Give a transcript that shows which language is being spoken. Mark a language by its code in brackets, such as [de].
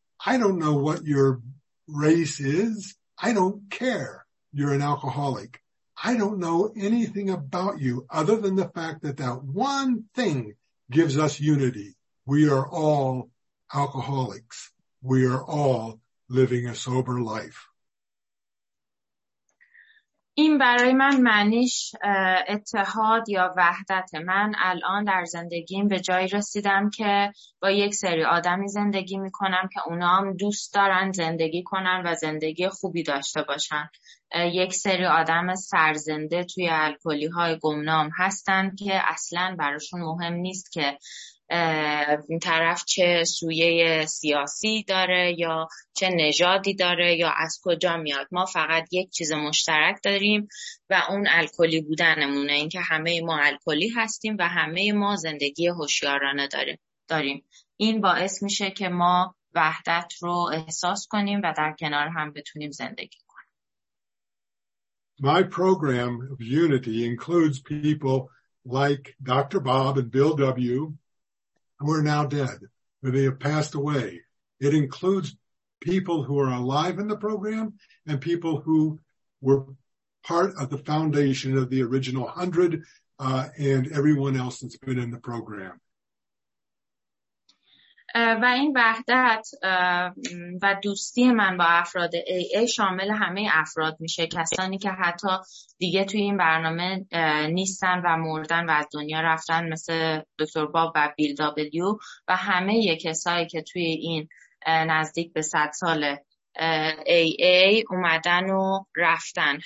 [en] I don't know what your race is. I don't care. You're an alcoholic. I don't know anything about you other than the fact that that one thing gives us unity. We are all alcoholics. We are all living a sober life. [fa] این برای من معنیش اتحاد یا وحدت. من الان در زندگیم به جایی رسیدم که با یک سری آدمی زندگی میکنم که اونا هم دوست دارن زندگی کنن و زندگی خوبی داشته باشن. یک سری آدم سرزنده توی الکلی های گمنام هستن که اصلا براشون مهم نیست که این طرف چه سویه سیاسی داره یا چه نژادی داره یا از کجا میاد. ما فقط یک چیز مشترک داریم و اون الکلی بودنمونه، اینکه همه ما الکلی هستیم و همه ما زندگی هوشیارانه داریم. این باعث میشه که ما وحدت رو احساس کنیم و در کنار هم بتونیم زندگی کنیم. [en] My program of unity includes people like Dr. Bob and Bill W. who are now dead, or they have passed away. It includes people who are alive in the program and people who were part of the foundation of the original 100 and everyone else that's been in the program. [fa] و این وحدت و دوستی من با افراد AA شامل همه افراد میشه، کسانی که حتی دیگه توی این برنامه نیستن و مردن و از دنیا رفتن، مثل دکتر باب و بیل دابلیو و همه یه کسایی که توی این نزدیک به 100 سال AA اومدن و رفتن.